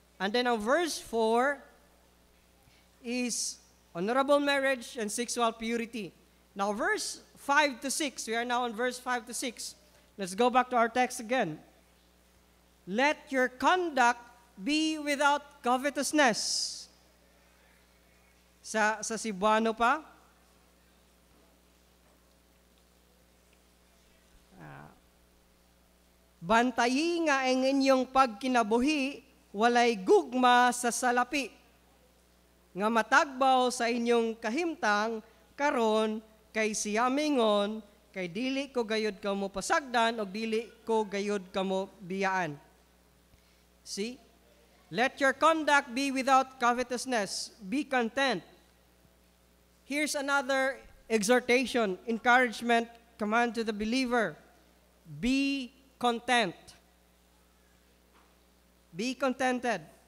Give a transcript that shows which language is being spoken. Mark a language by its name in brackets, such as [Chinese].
[English] And then ang verse 4 is honorable marriage and sexual purity. Now verse 5 to 6, we are now on verse 5 to 6. Let's go back to our text again. Let your conduct be without covetousness. [Cebuano] Sa Cebuano pa, bantayi nga ang inyong pagkinabuhi, walay gugma sa salapi, nga matagbaw sa inyong kahimtang, karon kay siyamingon, kay dili ko gayod ka mo pasagdan, o dili ko gayod ka mo biyaan. [English] See? Let your conduct be without covetousness. Be content. Here's another exhortation, encouragement, command to the believer. Be content. Be contented.